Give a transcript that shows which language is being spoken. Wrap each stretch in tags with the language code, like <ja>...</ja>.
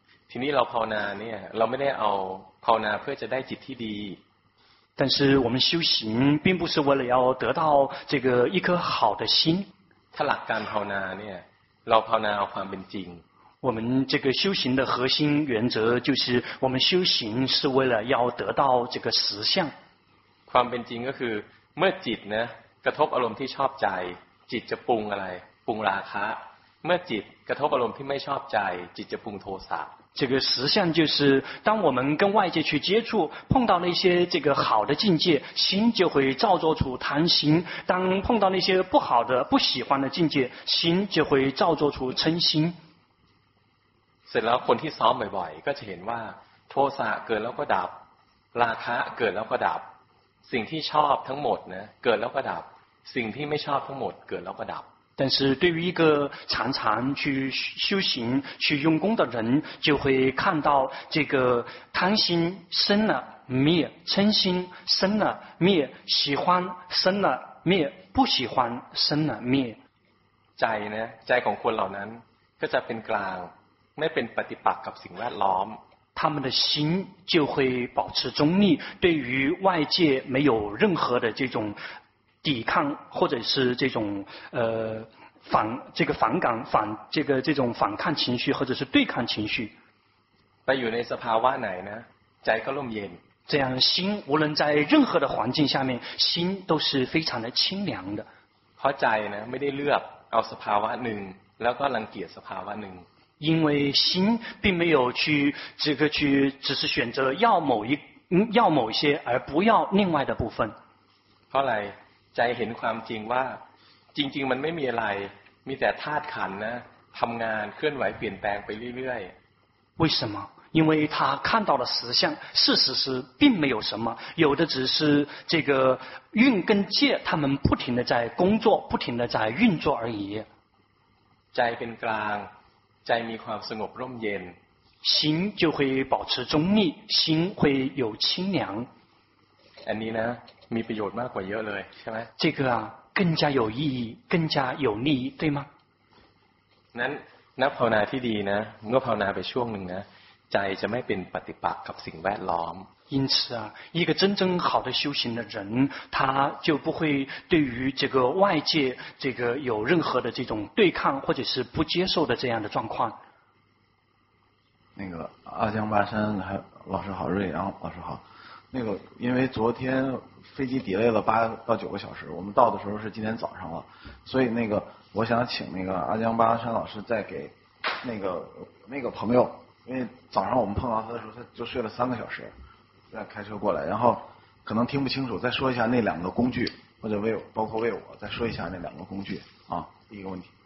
<th>ทีนี้เราภาวนาเนี่ยเราไม่ได้เอาภาวนาเพื่อจะได้จิตที่ดี</th> <zh>但是我们修行并不是为了要得到这个一颗好的心</zh> <th>ถ้าหลักการภาวนาเนี่ยเราภาวนาเอาความเป็นจริง</th> <zh>我们这个修行的核心原则就是我们修行是为了要得到这个实相</zh> <th>ความเป็นจริงก็คือเมื่อจิตนะกระทบอารมณ์ที่ชอบใจจิตจะปรุงอะไรปรุงราคะเมื่อจิตกระทบอารมณ์ที่ไม่ชอบใจจิตจะปรุงโทสะ</th> <zh>这个实相就是当我们跟外界去接触碰到那些这个好的境界心就会造作出贪心当碰到那些不好的不喜欢的境界心就会造作出嗔心</zh> <th>เสร็จแล้วคนที่ซ้อมบ่อยๆก็จะเห็นว่าโทสะเกิดแล้วก็ดับราคะเกิดแล้วก็ดับสิ่งที่ชอบทั้งหมดนะเกิดแล้วก็ดับสิ่งที่ไม่ชอบทั้งหมดเกิดแล้วก็ดับ</th> <zh>但是对于一个常常去修行去用功的人就会看到这个贪心生了灭嗔心生了灭喜欢生了灭不喜欢生了灭</zh> <th>ใจนะใจของคนเหล่านั้นก็จะเป็นกลางไม่เป็นปฏิปักษ์กับสิ่งแวดล้อม</th> <zh>他们的心就会保持中立对于外界没有任何的这种抵抗或者是这种反这个反感反这个这种反抗情绪或者是对抗情绪</zh> <th>ไปอยู่ในสภาวะไหนนะใจก็ร่มเย็น</th> <zh>这样心无论在任何的环境下面心都是非常的清凉的</zh> <th>เพราะใจนะไม่ได้เลือกเอาสภาวะหนึ่งแล้วก็รังเกียจสภาวะหนึ่ง</th> <zh>因为心并没有去这个去只是选择要某一要某些而不要另外的部分</zh> <th>เพราะอะไรใจเห็นความจริงว่าจริงๆมันไม่มีอะไรมีแต่ธาตุขันธ์นะทำงานเคลื่อนไหวเปลี่ยนแปลงไปเรื่อย</th> <zh>ๆ为什么因为他看到了实相，事实是并没有什么，有的只是这个运跟界他们不停的在工作，不停的在运作而已。</zh> <th>ใจเป็นกลาง ใจมีความสงบร่มเย็น</th> <zh>心就会保持中立，心会有清凉。</zh> <th>อันนี้นะมีประโยชน์มากกว่าเยอะเลยใช่ไหม</th> <zh>这个啊更加有意义，更加有利益，对吗？</zh> <th>นั้นนักภาวนาที่ดีนะเมื่อภาวนาไปช่วงหนึ่งนะใจจะไม่เป็นปฏิปักษ์กับสิ่งแวดล้อม</th> <zh>因此啊一个真正好的修行的人他就不会对于这个外界这个有任何的这种对抗或者是不接受的这样的状况那个阿江巴山还老师好瑞阳老师好那个因为昨天飞机 delay 了8到9个小时我们到的时候是今天早上了所以那个我想请那个阿江巴山老师再给那个朋友因为早上我们碰到他的时候他就睡了3个小时再开车过来然后可能听不清楚再说一下那两个工具或者包括为我再说一下那两个工具啊第一个问题</zh>